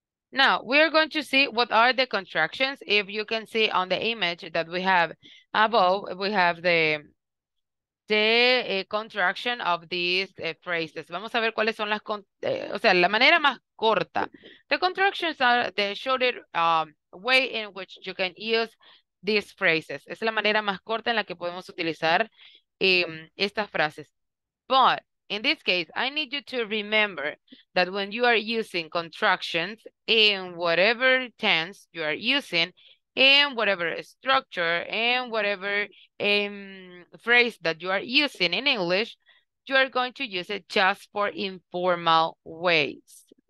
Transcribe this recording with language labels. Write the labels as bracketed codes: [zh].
[en] Now, we are going to see what are the contractions. If you can see on the image that we have above, we have the contraction of these phrases. [es] Vamos a ver cuáles son las, o sea, la manera más corta. [en] The contractions are the shorter way in which you can use these phrases. [es] Es la manera más corta en la que podemos utilizar estas frases. [en] But in this case, I need you to remember that when you are using contractions in whatever tense you are using, in whatever structure, in whatever phrase that you are using in English, you are going to use it just for informal ways.